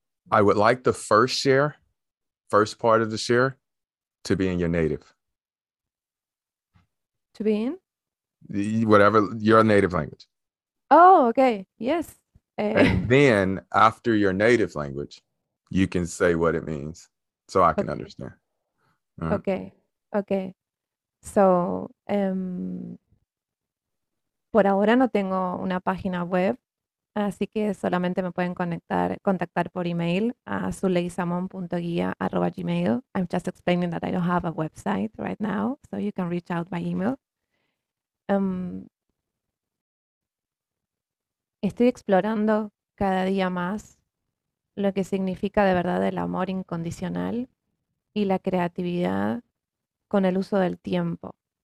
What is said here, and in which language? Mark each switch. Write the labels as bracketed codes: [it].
[en] I would like the first part of the share, to be in your native. To be in? Whatever your native language. Oh, okay. Yes. And then after your native language, you can say what it means so I can understand. Right. Okay. [es] So, por ahora no tengo una página web, así que solamente me pueden contactar por email a zuleisamon.guia@gmail. [en] I'm just explaining that I don't have a website right now, so you can reach out by email. [es] Estoy explorando cada día más lo que significa de verdad el amor incondicional y la creatividad con el uso del tiempo.